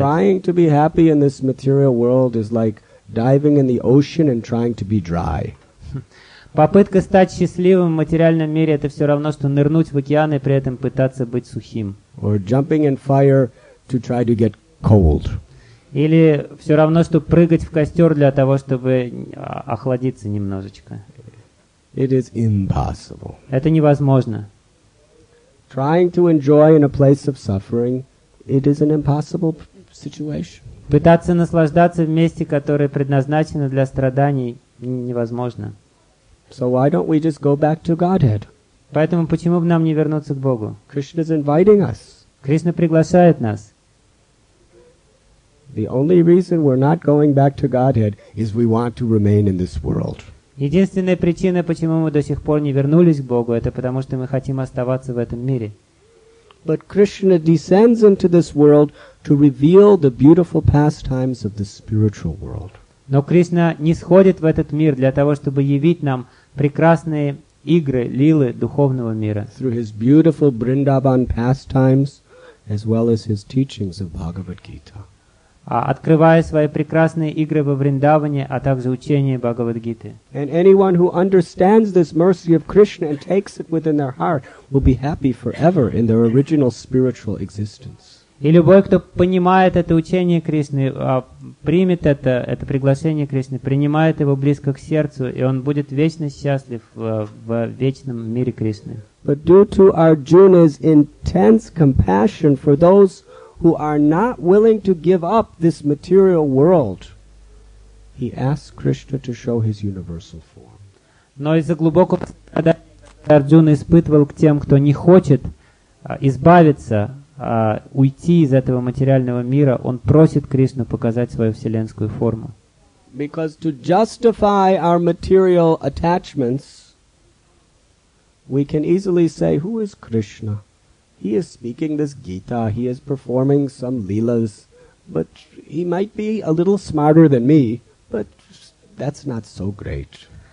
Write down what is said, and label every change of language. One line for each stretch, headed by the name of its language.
English: Trying to be happy in this material world is like diving in the ocean and trying to be dry.
Russian: Попытка стать счастливым в материальном мире — это все равно, что нырнуть в океан и при этом пытаться быть сухим.
English: Or jumping in fire to try to get cold.
Russian: Или все равно, что прыгать в костер для того, чтобы охладиться немножечко.
English: It is impossible.
Russian: Это невозможно.
English: Trying to enjoy in a place of suffering, it is an impossible situation.
Russian: Пытаться наслаждаться в месте, которое предназначено для страданий, невозможно.
English: So why don't we just go back to Godhead?
Russian: Поэтому почему бы нам не вернуться к Богу?
English: Krishna is inviting us.
Russian: Кришна приглашает нас.
English: The only reason we're not going back to Godhead is we want to remain in this world.
Russian: Единственная причина, почему мы до сих пор не вернулись к Богу, это потому, что мы хотим оставаться в этом мире.
English: But Krishna descends into this world to reveal the beautiful pastimes of the spiritual world.
Russian: Но Кришна не сходит в этот мир для того, чтобы явить нам прекрасные игры, лилы духовного мира.
English: Through his beautiful Vrindavan pastimes, as well as his teachings of Bhagavad Gita.
Russian: Открывая свои прекрасные игры во Вриндаване, а также учение Бхагавад-гиты.
English: And anyone who understands this mercy of Krishna and takes it within their heart will be happy forever in their original spiritual existence.
Russian: И любой, кто понимает это учение Кришны, примет это приглашение Кришны, принимает его близко к сердцу, и он будет вечно счастлив в вечном мире Кришны.
English: But due to Arjuna's intense compassion for those who are not willing to give up this material world, he asks Krishna to show his universal form.
Russian: Но из-за глубокого страдания Арджуна испытывал к тем, кто не хочет избавиться, уйти из этого материального мира, он просит Кришну показать свою вселенскую форму.
English: Because to justify our material attachments, we can easily say, who is Krishna? He is speaking this Gita, he is performing some leelas, but he might be a little smarter than me, but that's not so great.